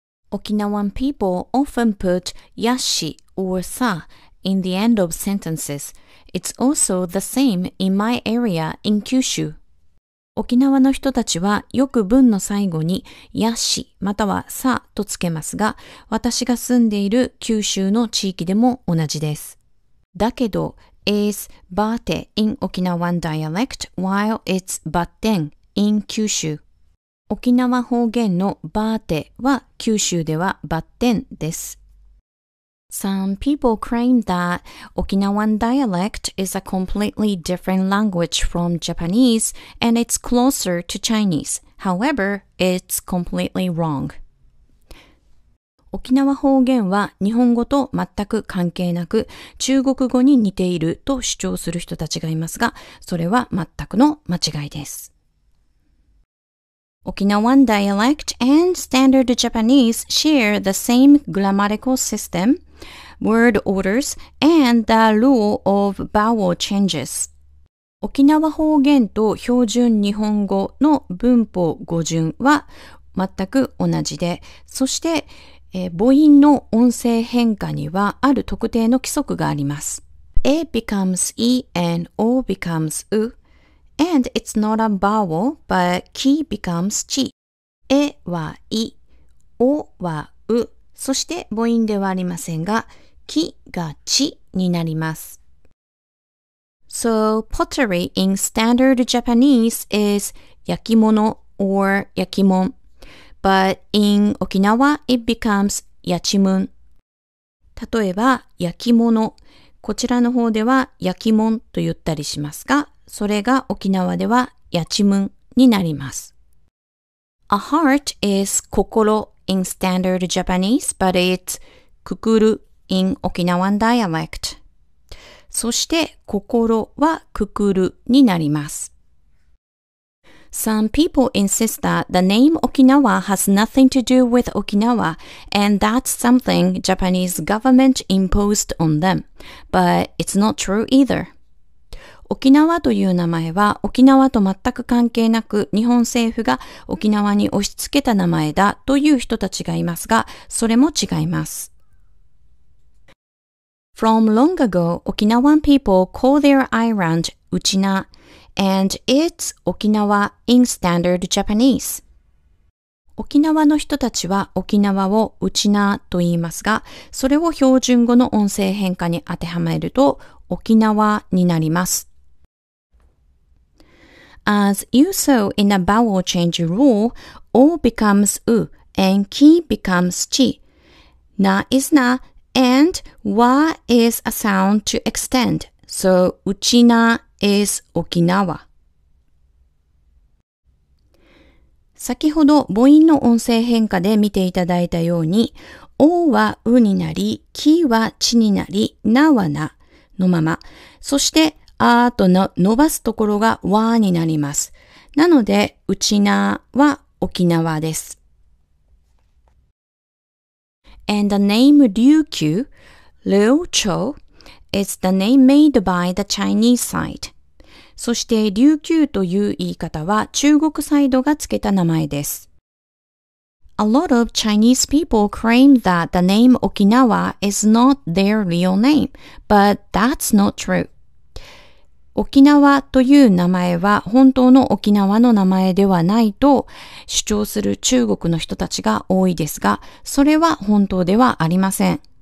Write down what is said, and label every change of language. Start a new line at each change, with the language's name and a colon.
English: 沖縄 people often put やしor さ in the end of sentences. It's also the same in my area in Kyushu.
Japanese: 沖縄の人たちはよく文の最後にやしまたはさとつけますが、私が住んでいる九州の地域でも同じです。だけど、
English: is bate in Okinawan dialect while it's batten in Kyushu.
Japanese: 沖縄方言のバーテは九州ではバッテンです。
English: Some people claim that Okinawan dialect is a completely different language from Japanese and it's closer to Chinese. However, it's completely wrong.
Japanese: 沖縄方言は日本語と全く関係なく中国語に似ていると主張する人たちがいますが、それは全くの間違いです。
English: Okinawan dialect and standard Japanese share the same grammatical system. Word orders and the rule of vowel changes.
Japanese: 沖縄方言と標準日本語の文法語順は全く同じで、そして母音の音声変化にはある特定の規則があります。
English: A becomes E and O becomes U, and it's not a vowel, but key becomes C.
Japanese: A は E, O は U, そして母音ではありませんが、木がちになります。
English: So, pottery in standard Japanese is 焼き物 or 焼きもん。 But in Okinawa, it becomes やちむん。
Japanese: 例えば、焼き物。こちらの方では焼きもんと言ったりしますが、それが沖縄ではやちむんになります。
English: A heart is 心 in standard Japanese, but it's くくる。 In Okinawan dialect.
Japanese: そして心はくくるになります。
English: Some people insist that the name Okinawa has nothing to do with Okinawa, and that's something Japanese government imposed on them. But it's not true either.
Japanese: 沖縄という名前は沖縄と全く関係なく日本政府が沖縄に押し付けた名前だという人たちがいますが、それも違います。
English: From long ago, Okinawan people call their island Uchina, and it's Okinawa in standard Japanese.
Japanese: 沖縄の人たちは沖縄をウチナと言いますが、それを標準語の音声変化に当てはめると沖縄になります。
English: As you saw in a vowel change rule, O becomes U and Ki becomes Chi. Na is naAnd, wa is a sound to extend, so uchina is Okinawa.
Japanese: 先ほど母音の音声変化で見ていただいたように、o はうになり、ki はちになり、na はなのまま、そしてあーとの伸ばすところがわーになります。なので、うちなは沖縄です。
English: And the name Ryukyu, Liu Chou, is the name made by the Chinese side.
Japanese: そして琉球という言い方は中国サイドがつけた名前です。
English: A lot of Chinese people claim that the name Okinawa is not their real name, but that's not true.
Japanese: 沖縄という名前は本当の沖縄の名前ではないと主張する中国の人たちが多いですが、それは本当ではありません。